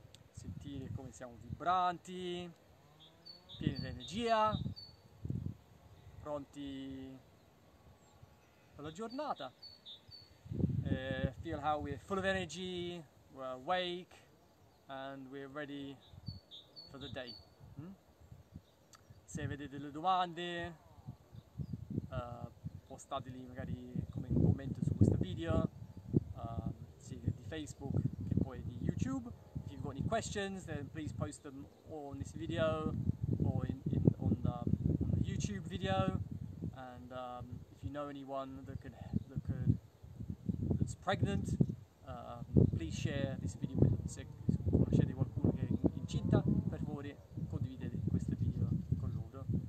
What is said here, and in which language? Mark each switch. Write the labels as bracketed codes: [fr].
[it] Sentire come siamo vibranti, pieni di energia, pronti per la giornata. [en] Feel how we're full of energy, we're awake, and we're ready for the day. [it] Se avete delle domande, postateli magari come un commento su questo video, sia di Facebook che poi di YouTube. [en] If you've got any questions, then please post them on this video or on the YouTube video. And if you know anyone that's pregnant, please share this video with them. [it] Se conoscete qualcuno che è incinta, per favore condividete questo video con loro.